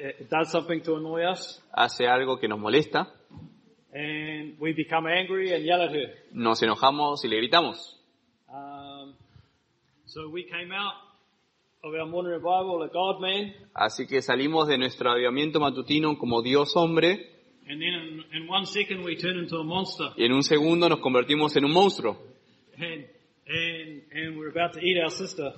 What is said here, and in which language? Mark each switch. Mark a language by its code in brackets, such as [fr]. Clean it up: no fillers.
[en] Does something to annoy us. [es] Hace algo que nos molesta. [en] And we become angry and yell at her. [es] Nos enojamos y le gritamos. [en] So we came out of our morning revival, a God man. [es] Así que salimos de nuestro avivamiento matutino como Dios hombre. [en] And then in 1 second we turn into a monster. [es] Y en un segundo nos convertimos en un monstruo. [en] And we're about to eat our sister.